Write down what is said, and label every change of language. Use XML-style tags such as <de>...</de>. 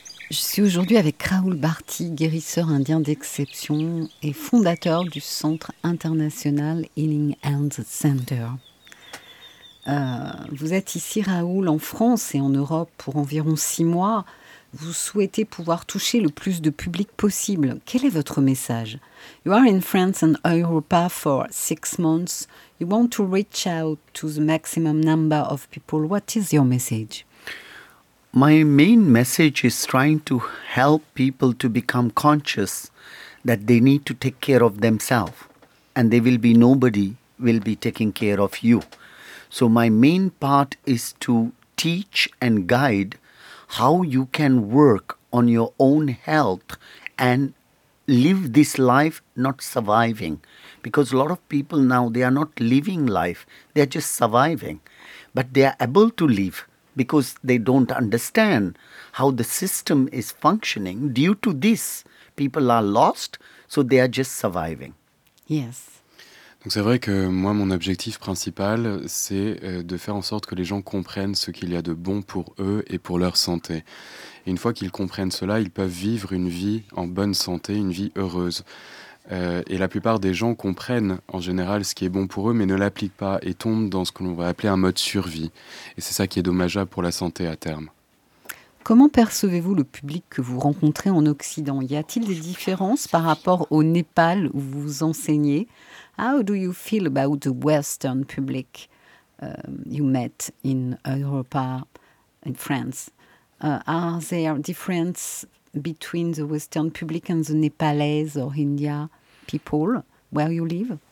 <fr>Je suis aujourd'hui avec Rahul Bharti, guérisseur indien d'exception et fondateur du Centre International Healing Hands Center. Vous êtes ici, Rahul, en France et en Europe pour environ 6 mois. Vous souhaitez pouvoir toucher le plus de public possible. Quel est votre message?</fr> <en>You are in France and Europe for 6 months. You want to reach out to the maximum number of people. What is your message? My main message is trying to help people to become conscious that they need to take care of themselves and they will be nobody will be taking care of you. So my main part is to teach and guide how you can work on your own health and live this life not surviving. Because a lot of people now, they are not living life, they are just surviving. But they are able to live. Because they don't understand how the system is functioning. Due to this, people are lost, so they are just surviving. Yes.</en> <fr>Donc c'est vrai que moi, mon objectif principal, c'est de faire en sorte que les gens comprennent ce qu'il y a de bon pour eux et pour leur santé. Et une fois qu'ils comprennent cela, ils peuvent vivre une vie en bonne santé, une vie heureuse. Et la plupart des gens comprennent en général ce qui est bon pour eux, mais ne l'appliquent pas et tombent dans ce que l'on va appeler un mode survie. Et c'est ça qui est dommageable pour la santé à terme. Comment percevez-vous le public que vous rencontrez en Occident? Y a-t-il des différences par rapport au Népal où vous enseignez?</fr> <en>How do you feel about the Western public you met in Europe, in France? Are there differences between the Western public and the Nepalese or India people, where you live?</en>